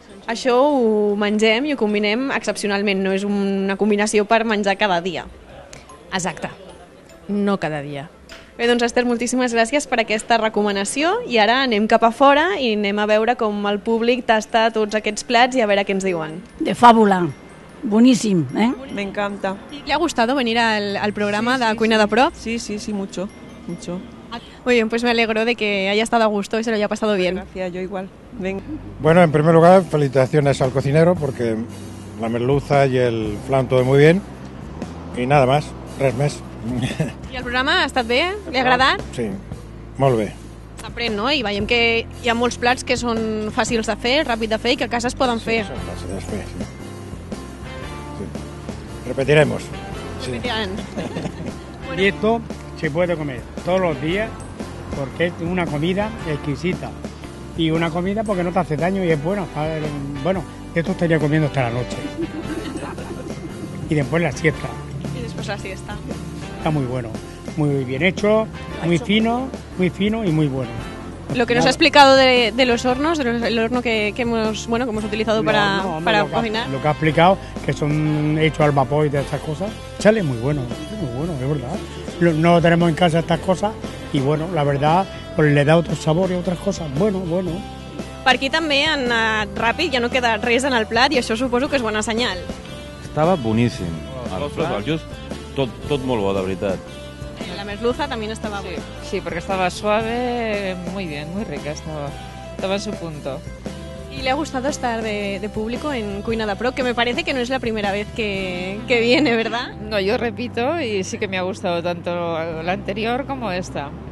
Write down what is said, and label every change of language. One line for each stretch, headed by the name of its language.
Catalan: Això ho mengem i ho combinem excepcionalment, no és una combinació per menjar cada dia. Exacte, no cada dia. Bé, doncs Esther, moltíssimes gràcies per aquesta recomanació i ara anem cap a fora i anem a veure com el públic tasta tots aquests plats i a veure què ens diuen. De fàbula, boníssim, eh? M'encanta.
Spanish: ¿Le ha gustado venir al programa de Cuina de Prop? Sí, sí, sí, mucho, mucho. Muy bien, pues me alegro de que haya estado a gusto y se lo haya pasado bien. Gracias, yo igual. Venga. Bueno, en primer lugar, felicitaciones al cocinero porque la merluza y el flan todo muy bien y nada más,
Catalan: res més. ¿Y el programa ha estat bé? ¿Li ha agradat? Sí, molt bé. S'aprèn, no? I veiem que hi ha molts plats que són fàcils de fer, ràpid de fer i que a casa es poden fer. Sí, són fàcils de fer, sí.
Spanish: Repetiremos. Repetirán. Sí. Bueno. Y esto se puede comer todos los días porque es una comida exquisita. Y una comida porque no te hace daño y es bueno. Bueno, esto estaría comiendo hasta la noche. Y después la siesta. Y después la siesta. Está muy bueno, muy bien hecho, muy fino y muy bueno. Lo que nos ha explicado de los hornos, el horno que hemos, bueno, que hemos utilizado para cocinar. Lo que ha explicado, que son hechos al vapor y de esas cosas, chale, muy bueno, es verdad. No tenemos en casa estas cosas y bueno, la verdad, pues le da otro sabor y otras cosas, bueno, bueno.
Catalan: Per aquí també han anat ràpid, ja no queda res en el plat i això suposo que és bona senyal. Estava boníssim, el plat, just tot molt bo, de veritat.
Spanish: La merluza también estaba bien. Sí, porque estaba suave, muy bien, muy rica, estaba en su punto. ¿Y le ha gustado estar de público en Cuina de Prop? Que me parece que no es la primera vez que viene, ¿verdad? No, yo repito, y sí que me ha gustado tanto la anterior como esta.